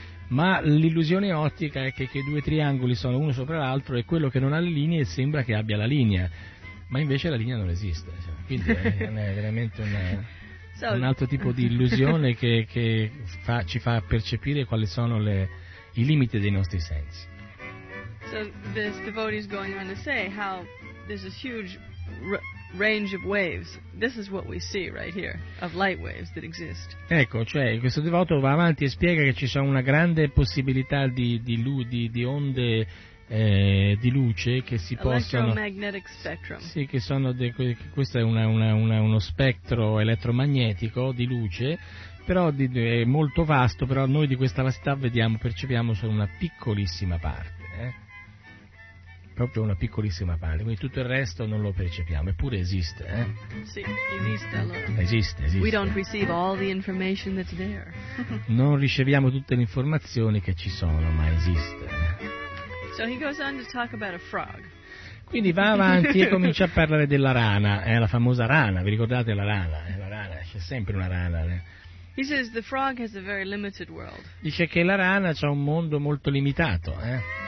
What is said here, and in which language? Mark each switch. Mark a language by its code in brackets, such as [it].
[it] Ma l'illusione ottica è che i due triangoli sono uno sopra l'altro e quello che non ha le linee sembra che abbia la linea, ma invece la linea non esiste. Cioè, quindi è veramente un... un altro tipo di illusione che fa, ci fa percepire quali sono le, i limiti dei nostri sensi. [en] So this devotee is going on to say how there's this huge range of waves. This is what we see right here of light waves that exist. [it] Ecco, cioè questo devoto va avanti e spiega che ci sono una grande possibilità di onde di luce che si possono. [en] Electromagnetic spectrum. [it] Sì, che sono questo è uno spettro elettromagnetico di luce. Però è molto vasto, però noi di questa vastità vediamo, percepiamo solo una piccolissima parte, proprio una piccolissima parte, quindi tutto il resto non lo percepiamo, eppure esiste. Sì, esiste allora. Esiste. [en] We don't receive all the information that's there. [it] Non riceviamo tutte le informazioni che ci sono, ma esiste. [en] So he goes on to talk about a frog. [it] Quindi va avanti e comincia a parlare della rana, la famosa rana, vi ricordate la rana? La rana, c'è sempre una rana. [en] He says the frog has a very limited world. [it] Dice che la rana c'ha un mondo molto limitato, eh?